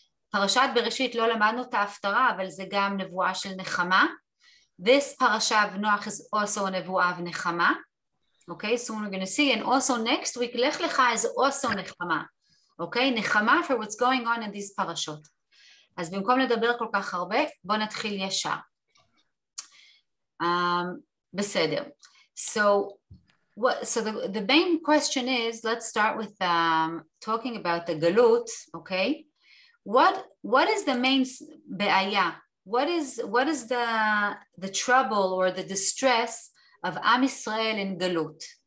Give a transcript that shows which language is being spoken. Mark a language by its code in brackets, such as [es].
[he] פרשת בראשית לא למדנו את ההפטרה, אבל זה גם נבואה של נחמה. [en] This parasha of Noach is also a נבואה of נחמה. Okay, soon we're going to see, and also next week, Lech Lecha is also Nechama, okay? Nechama for what's going on in these parashot. [he] אז במקום לדבר כל כך הרבה, בוא נתחיל ישר. בסדר. [en] So the main question is, let's start with talking about the galut, okay? What is the main בעיה? What is the trouble or the distress of Am Yisrael in Galut?